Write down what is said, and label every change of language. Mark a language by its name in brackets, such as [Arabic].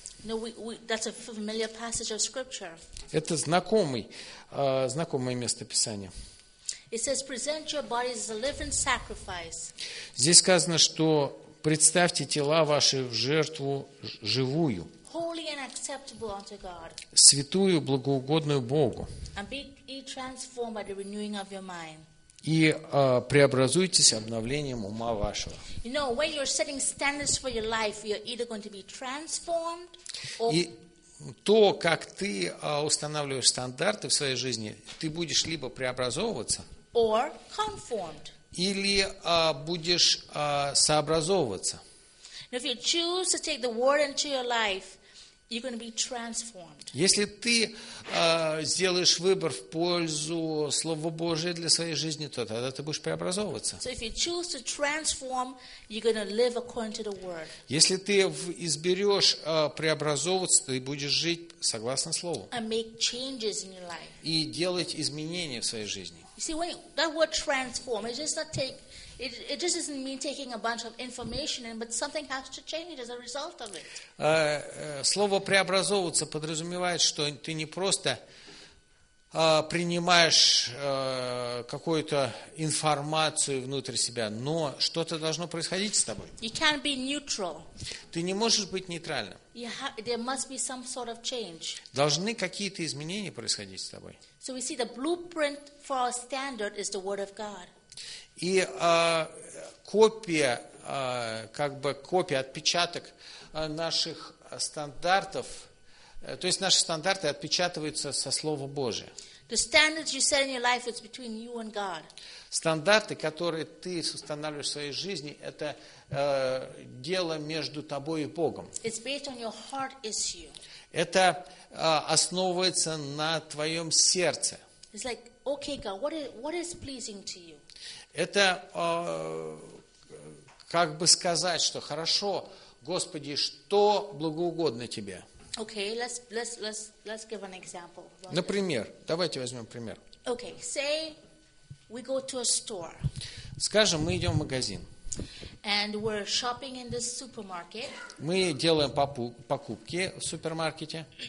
[English] No, that's a familiar passage of scripture. [Russian] Это знакомое место Писания. [English] It says, present your bodies as a living sacrifice. [Russian] Здесь сказано, что представьте тела ваши в жертву живую. [English] Holy and acceptable unto God. [Russian] Святую, благоугодную Богу. [English] And be transformed by the renewing of your mind. [Russian] И преобразуйтесь обновлением ума вашего. [English] You know, when you're setting standards for your life, you're either going to be transformed or... [Russian] И то, как ты устанавливаешь стандарты в своей жизни, ты будешь либо преобразовываться, [English] or conformed. [Russian] Или будешь сообразовываться. [English] Now, if you choose to take the word into your life, you're going to be transformed. [Russian] Если ты сделаешь выбор в пользу Слова Божия для своей жизни, то тогда ты будешь преобразовываться. [English] So if you choose to transform, you're going to live according to the word. [Russian] Если ты изберешь преобразовываться, ты будешь жить согласно Слову. [English] And make changes in your life. [Russian] И делать изменения в своей жизни. [English] You see, when that word transform, it just doesn't mean taking a bunch of information in, but something has to change as a result of it. [Russian] Слово преобразовываться подразумевает, что ты не просто принимаешь какую-то информацию внутрь себя, но что-то должно происходить с тобой. [English] You can't be neutral. [Russian] Ты не можешь быть нейтральным. [English] There must be some sort of change. [Russian] Должны какие-то изменения происходить с тобой. [English] So we see the blueprint for our standard is the Word of God. [Russian] И копия, как бы копия, отпечаток наших стандартов, то есть наши стандарты отпечатываются со Слова Божия. [English] The standards you set in your life, it's between you and God. [Russian] Стандарты, которые ты устанавливаешь в своей жизни, это дело между тобой и Богом. [English] It's based on your heart issue. [Russian] Это основывается на твоем сердце. [English] It's like, okay, God, what is pleasing to you? [Russian] Это как бы сказать, что хорошо, Господи, что благоугодно тебе. [English] Okay, let's give an example. [Russian] Например, давайте возьмем пример. [English] Okay, say we go to a store. [Russian] Скажем, мы идем в магазин. [English] And we're shopping in the supermarket. [Russian] Мы делаем покупки в супермаркете.